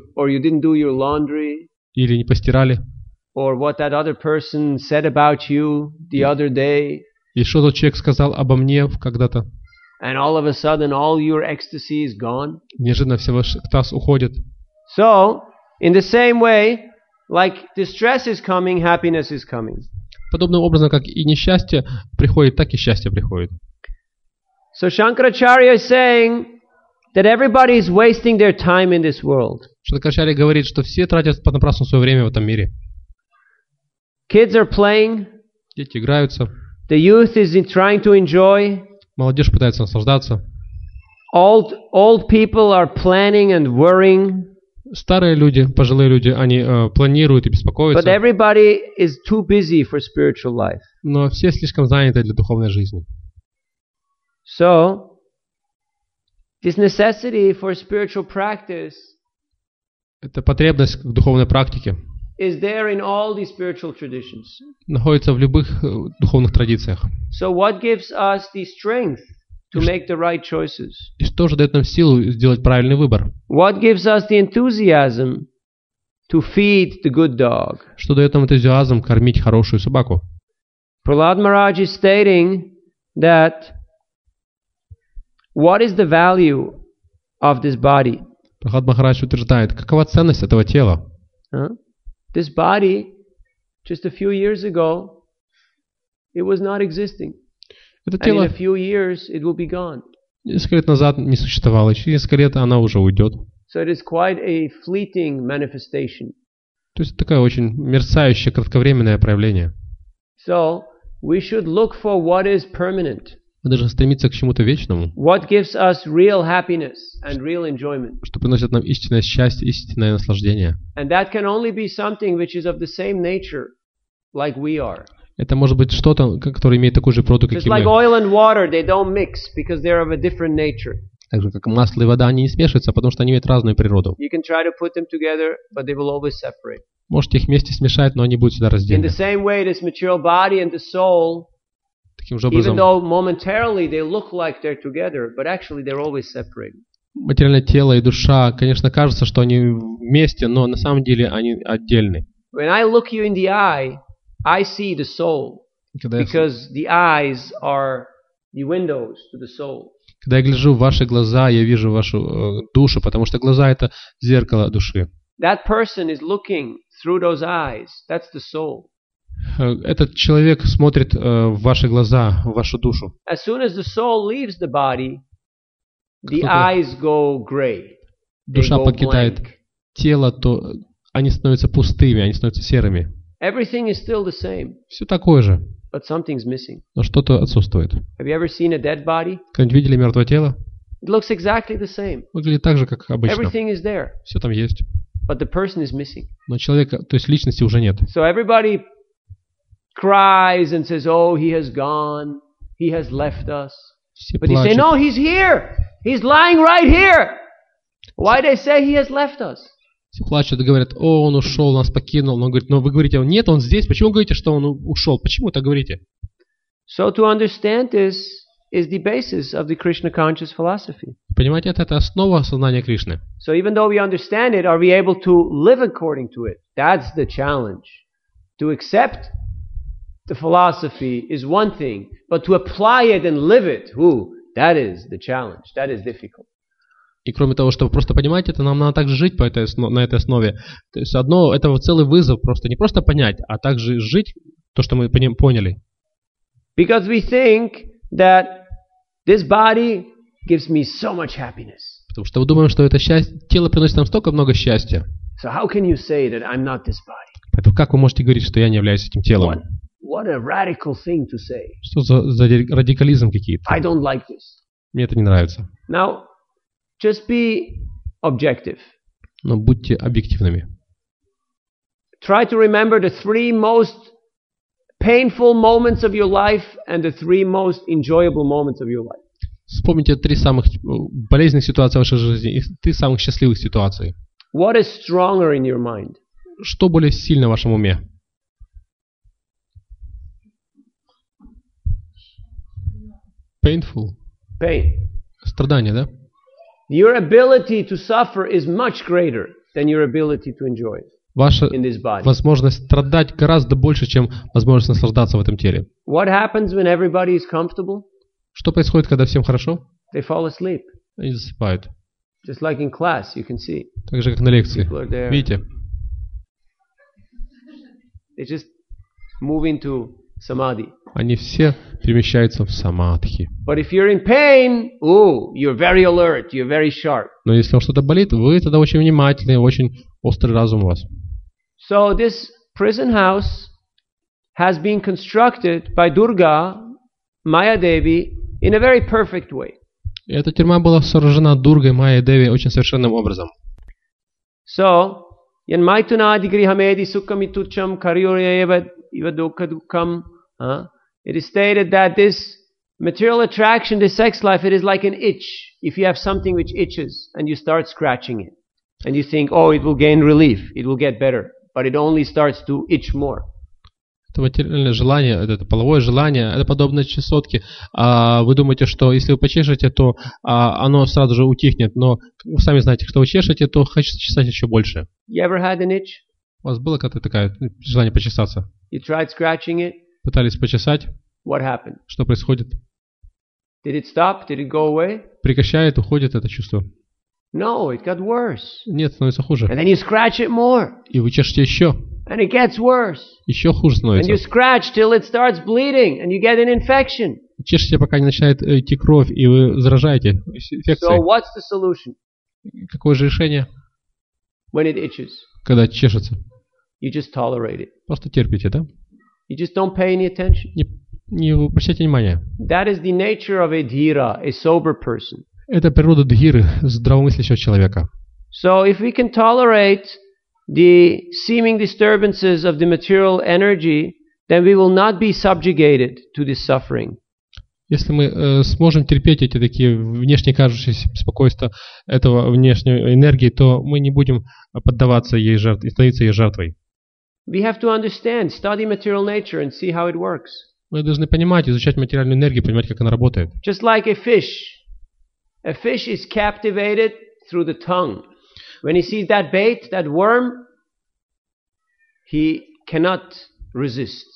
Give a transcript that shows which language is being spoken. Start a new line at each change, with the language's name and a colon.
English: Or you didn't do your laundry.
Russian: Или не постирали.
English: Or what that other person said about you the other day.
Russian: И что тот человек сказал обо мне когда-то.
English: And all of a sudden all your ecstasy is gone.
Russian: Неожиданно все ваш экстаз уходит.
English: So, in the same way, like distress is coming, happiness is coming.
Russian: Подобным образом, как и несчастье приходит, так и счастье приходит.
English: So Shankaracharya is saying that everybody is wasting their time in this world.
Russian: Шанкарачарья говорит, что все тратят понапрасну свое время в этом мире.
English: Kids are playing.
Russian: Дети играются.
English: The youth is trying to enjoy.
Russian: Молодежь пытается наслаждаться.
English: Old people are planning and worrying.
Russian: Старые люди, пожилые люди, они планируют и беспокоятся.
English: But everybody is too busy for spiritual life.
Russian: Но все слишком заняты для духовной жизни.
English: So, this necessity for spiritual practice.
Russian: Это потребность к духовной практике.
English: Is there in all the spiritual traditions.
Russian: Находится в любых духовных традициях.
English: So what gives us the strength to make the right choices?
Russian: И что же дает нам силу сделать правильный выбор?
English: What gives us the enthusiasm to feed the good dog?
Russian: Что дает нам энтузиазм кормить хорошую собаку?
English: Prahlad Maharaj is stating that what is the value of this body?
Russian: Прахлад Махарадж утверждает, какова ценность этого тела?
English: This body, just a few years ago, it was not existing.
Russian: Это тело.
English: And in a few years, it will be gone.
Russian: Несколько лет назад не существовало, через несколько лет она уже уйдет.
English: So it is quite a fleeting manifestation.
Russian: То есть такое очень мерцающее, кратковременное проявление.
English: So We should look for what is permanent.
Russian: Мы должны стремиться к чему-то вечному.
English: What gives us real happiness and real enjoyment?
Russian: Что приносит нам истинное счастье, истинное наслаждение.
English: And that can only be something which is of the same nature, like we are.
Russian: Это может быть что-то, которое имеет такую же природу, как и мы.
English: Just like oil and water, they don't mix because they're of a different nature.
Russian: Так же, как масло и вода, они не смешиваются, потому что они имеют разную природу.
English: You can try to put them together, but they will always separate.
Russian: Можете их вместе смешать, но они будут всегда разделены.
English: In the same way, this material body and the soul,
Russian: таким же образом,
English: even though momentarily they look like they're together, but actually they're always separated.
Russian: Материальное тело и душа, конечно, кажется, что они вместе, но на самом деле они отдельны.
English: When I look you in the eye, I see the soul, because the eyes are the windows to the soul.
Russian: Когда я гляжу в ваши глаза, я вижу вашу душу, потому что глаза это зеркало души.
English: That person is looking through those eyes. That's the soul.
Russian: Этот человек смотрит в ваши глаза, в вашу душу.
English: As soon as the soul leaves the body, the eyes go gray.
Russian: Душа покидает тело, то они становятся пустыми, они становятся серыми.
English: Everything is still the same.
Russian: Все такое же.
English: But something's missing.
Russian: Но что-то отсутствует.
English: Have you ever seen a dead body?
Russian: Когда-нибудь видели мертвое тело?
English: It looks exactly the same.
Russian: Выглядит так же, как обычно.
English: Everything is there.
Russian: Все там есть.
English: But the person is missing.
Russian: Но человека, то есть личности уже нет.
English: So everybody cries and says, "Oh, he has gone. He has left us."
Russian: Все
English: but
Russian: плачут.
English: They say, "No, he's here. He's lying right here." Why they say he has left us?
Russian: Все плачут и говорят, о, он ушел, нас покинул. Но, говорит, но вы говорите, нет, он здесь. Почему вы говорите, что он ушел? Почему так говорите?
English: So to understand this is the basis of the Krishna conscious philosophy.
Russian: Понимаете, это основа сознания Кришны.
English: So even though we understand it, are we able to live according to it? That's the challenge. To accept the philosophy is one thing, but to apply it and live it, that is the challenge. That is difficult.
Russian: И кроме того, чтобы просто понимать это, нам надо также жить на этой основе. То есть одно, это целый вызов просто, не просто понять, а также жить то, что мы поняли.
English: Because we think that this body gives me so much happiness.
Russian: Потому что мы думаем, что это счастье, тело приносит нам столько много счастья.
English: So how can you say that I'm not this body?
Russian: Поэтому как вы можете говорить, что я не являюсь этим телом?
English: What a radical thing to say.
Russian: Что за радикализм какие-то?
English: I don't like this.
Russian: Мне это не нравится.
English: Now, just be objective.
Russian: Но будьте объективными.
English: Try to remember the three most painful moments of your life and the three most enjoyable moments of your life.
Russian: Вспомните три самых болезненных ситуации в вашей жизни и три самых счастливых ситуации.
English: What is stronger in your mind?
Russian: Что более сильно в вашем уме?
English: Painful. Pain.
Russian: Страдание, да?
English: Your ability to suffer is much greater than your ability to enjoy in this body.
Russian: Ваша возможность страдать гораздо больше, чем возможность наслаждаться в этом теле.
English: What happens when everybody is comfortable?
Russian: Что происходит, когда всем хорошо?
English: They fall asleep.
Russian: Они засыпают.
English: Just like in class, you can see.
Russian: Так же, как на лекции.
English: People are there.
Russian: Видите?
English: They just move into samadhi.
Russian: Они все перемещаются в самадхи.
English: But if you're in pain, you're very alert, you're very sharp.
Russian: Но если вам что-то болит, вы тогда очень внимательны, очень острый разум у вас.
English: So this prison house has been constructed by Durga, Maya Devi, in a very perfect way.
Russian: Эта тюрьма была сооружена Дургой Майя Деви очень совершенным образом.
Sanskrit: So, yan maituna adigrihamedi sukkamitucham kariyoreva ivadukadukam.
English: It is stated that this material attraction, this sex life, it is like an itch. If you have something which itches and you start scratching it, and you think, oh, it will gain relief, it will get better, but it only starts to itch more.
Russian: Это материальное желание, это половое желание, это подобно чесотке. Вы думаете, что если вы почешете, то оно сразу же утихнет, но вы сами знаете, что вы чешете, то хочется чесать еще больше.
English: You ever had an itch?
Russian: У вас было когда-то такое желание почесаться?
English: You tried scratching it?
Russian: Пытались почесать.
English: What happened?
Russian: Что происходит?
English: Did it stop? Did it go away?
Russian: Прекращает, уходит это чувство.
English: No, it got worse.
Russian: Нет, становится хуже.
English: And then you scratch it more.
Russian: И вы чешете еще.
English: And it gets worse.
Russian: Еще хуже становится.
English: And you scratch till it starts bleeding, and you get an infection.
Russian: Чешете, пока не начинает идти кровь, и вы заражаете инфекцией.
English: So what's the solution?
Russian: Какое же решение?
English: When it itches.
Russian: Когда чешется.
English: You just tolerate it.
Russian: Просто терпите, да?
English: You just don't pay any attention.
Russian: Не, И обращайте внимание.
English: That is the nature of a dhira, a sober person.
Russian: Это природа дхиры, здравомыслящего человека.
English: So if we can tolerate the seeming disturbances of the material energy, then we will not be subjugated to this suffering.
Russian: Если мы сможем терпеть эти такие внешне кажущиеся беспокойства этого внешней энергии, то мы не будем поддаваться ей жертвой, становиться ей жертвой.
English: We have to understand, study material nature and see how it works.
Russian: Мы должны понимать, изучать материальную энергию, понимать, как она работает.
English: Just like a fish. A fish is captivated through the tongue. When he sees that bait, that worm, he cannot resist.